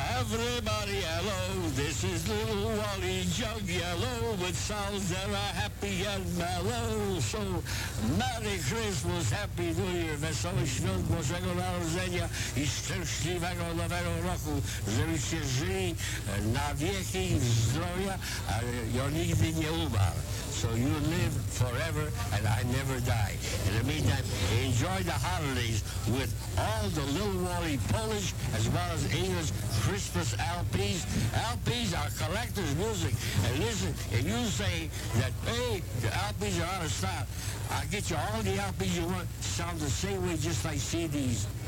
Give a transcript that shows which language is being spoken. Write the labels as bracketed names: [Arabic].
[English] Everybody, hello, this is little Wally Jug Yellow with sounds that are happy and mellow. So, Merry Christmas, Happy New Year, [Polish] Wesołych Świąt, Bożego Narodzenia i szczęśliwego nowego roku. Żebyście żyli na wieki w zdrowia, a ja nigdy nie umarł. [English] So you live forever and I never die. In the meantime, enjoy the holidays with all the Little Wally Polish as well as English Christmas LPs. LPs are collector's music. And listen, if you say that, hey, the LPs are out of style, I'll get you all the LPs you want, sound the same way just like CDs.